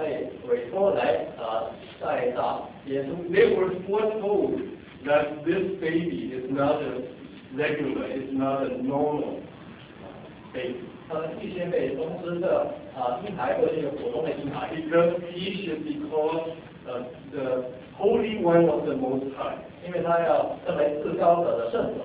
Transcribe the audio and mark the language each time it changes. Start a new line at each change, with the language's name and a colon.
Chinese: 我们昨天说过，当约瑟和玛利亚被委托来带大耶稣，
English: they were foretold that this baby is not a regular, it's not a normal baby.
Chinese: 预先被通知的婴孩不是一个普通的婴孩，
English: because he should be called the Holy One of the Most High.
Chinese: 因为他要成为至高者的圣者。